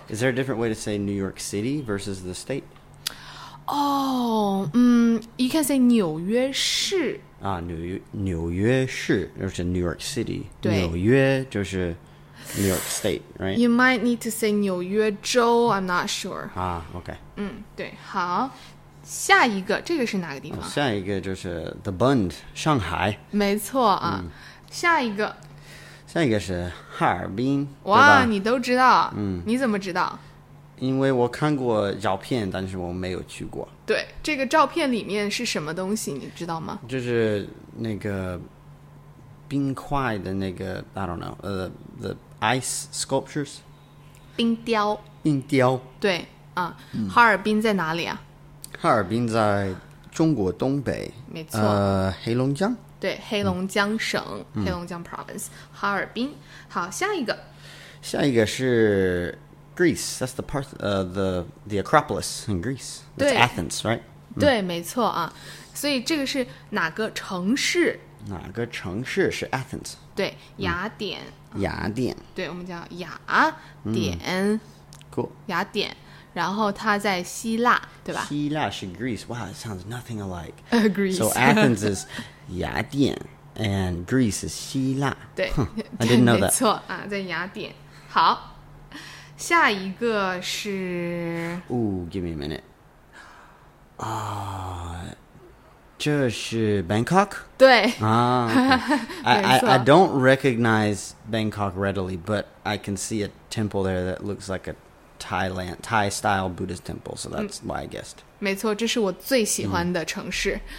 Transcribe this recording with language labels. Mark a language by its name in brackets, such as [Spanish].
[English] Is there a different way to say New York City versus the state? 哦、You can say 纽约市 [Chinese] 啊纽约市就是 New York City 对纽约就是New York State, right? [English] You might need to say 纽约州, I'm not sure. Ah, okay. [Chinese] 对,好。下一个,这个是哪个地方? 下一个就是 The Bund, 上海。没错啊。下一个。下一个是哈尔滨。哇,你都知道。你怎么知道? 因为我看过照片,但是我没有去过。对,这个照片里面是什么东西,你知道吗? 就是那个。冰块的那个 [English] I don't know the ice sculptures [Chinese] 冰雕冰雕对、哈尔滨在哪里啊哈尔滨在中国东北没错、黑龙江对黑龙江省、黑龙江 [English] province [Chinese] 哈尔滨好下一个 [English] 下一个是 Greece that's the part、the Acropolis in Greece that's Athens right [Chinese] 对、没错啊所以这个是哪个城市哪个城市是 Athens 对雅典、雅典对我们叫雅典、 [English] cool [Chinese] 雅典然后它在希腊对吧希腊是 [English] Greece wow it sounds nothing alike Greece so Athens is [Chinese] 雅典 [English] and Greece is [Chinese] 希腊对 [English] huh, I didn't know that [Chinese] 没错、在雅典好下一个是 [English] give me a minute [Chinese] 这是 [English] Bangkok? [Chinese] 对、 [English] I don't recognize Bangkok readily, but I can see a temple there that looks like a Thai-style Buddhist temple, so that's why I guessed. [Chinese] 没错,这是我最喜欢的城市。